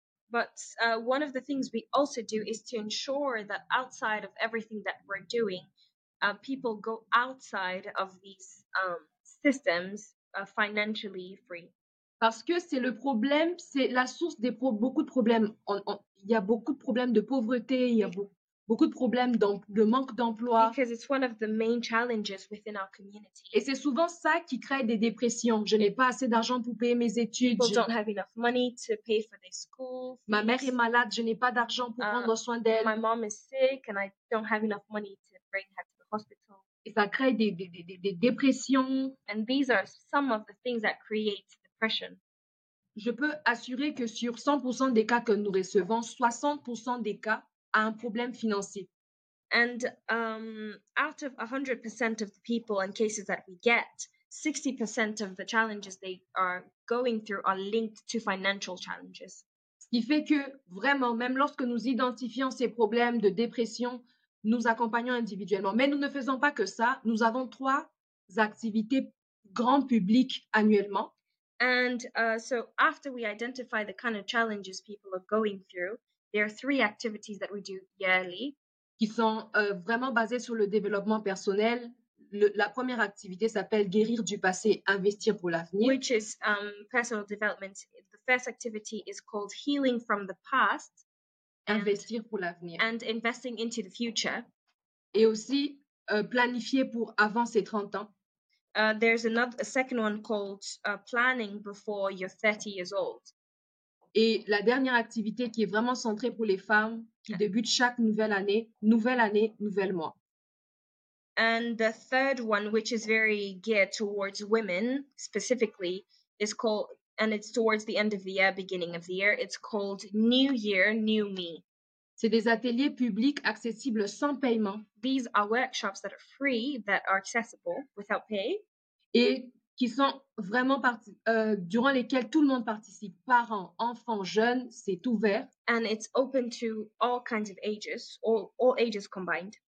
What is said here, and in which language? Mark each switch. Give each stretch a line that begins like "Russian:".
English: But one of the things we also do is to ensure that outside of everything that we're doing, people go outside of these systems financially free.
French: Parce que c'est le problème, c'est la source des beaucoup de problèmes. Il y a beaucoup de problèmes de pauvreté, il y a beaucoup de problèmes de manque d'emploi.
English: Because it's one of the main challenges within our community.
French: Et c'est souvent ça qui crée des dépressions. Je n'ai pas assez d'argent pour payer mes études.
English: People don't have enough money to pay for their school.
French: Ma mère est malade, je n'ai pas d'argent pour prendre soin d'elle.
English: My mom is sick and I don't have enough money to bring her to the hospital.
French: Et ça crée des dépressions.
English: And these are some of the things that create.
French: Je peux assurer que sur 100% des cas que nous recevons, 60% des cas a un problème financier.
English: And out of 100% of the people and cases that we get, 60% of the challenges they are going through are linked to financial challenges.
French: Ce qui fait que vraiment, même lorsque nous identifions ces problèmes de dépression, nous accompagnons individuellement. Mais nous ne faisons pas que ça. Nous avons trois activités grand public annuellement.
English: And so after we identify the kind of challenges people are going through, there are three activities that we do yearly.
French: Qui sont vraiment basées sur le développement personnel. La première activité s'appelle Guérir du passé, investir pour l'avenir.
English: Which is personal development. The first activity is called Healing from the past.
French: Investir pour l'avenir.
English: And investing into the future.
French: Et aussi planifier pour avant ses 30 ans.
English: There's a second one called planning before you're 30 years old.
French: Et la dernière activité qui est vraiment centrée pour les femmes qui débute chaque nouvelle année, nouvel mois.
English: And the third one, which is very geared towards women specifically, is called, and it's towards the end of the year, beginning of the year, it's called New Year, New Me.
French: C'est des ateliers publics accessibles sans paiement.
English: These are workshops that are free, that are accessible without pay.
French: Et qui sont vraiment durant lesquels tout le monde participe. Parents, enfants, jeunes, c'est ouvert.
English: And it's open to all kinds of ages, all ages combined.